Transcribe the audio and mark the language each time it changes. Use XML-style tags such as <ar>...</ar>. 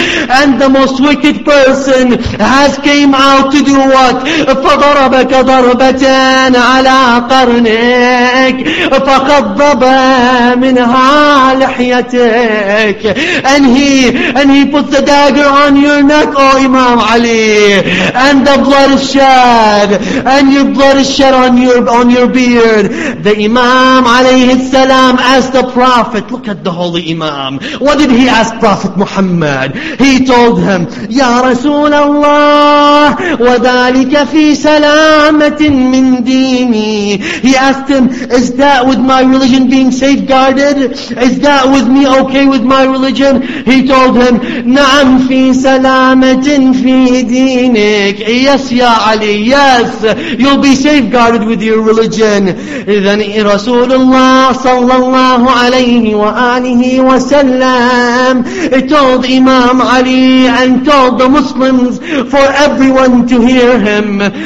<en>And the most wicked person has came out to do what?</en> <ar>فضربك ضربتان على قرنك فقضب منها لحيتك.</ar> <en>And he puts the dagger on your neck, O Imam Ali, and the blood is shed, and your blood is shed on your beard. The Imam alayhi salam asked the Prophet, look at the Holy Imam. What did he ask Prophet Muhammad? He told him, Ya Rasul Allah,</en> <ar>وَذَلِكَ فِي سَلَامَةٍ مِّن دِينِي.</ar> <en>He asked him, is that with my religion being safeguarded? Is that with me okay with my religion? He told him,</en> <ar>نَعَمْ فِي سَلَامَةٍ فِي دِينِكَ.</ar> <en>Yes, Ya Ali, yes, you'll be safeguarded with your religion. Then Rasulullah sallallahu alayhi wa alihi wa sallam told Imam Ali and told the Muslims for everyone to hear him.</en>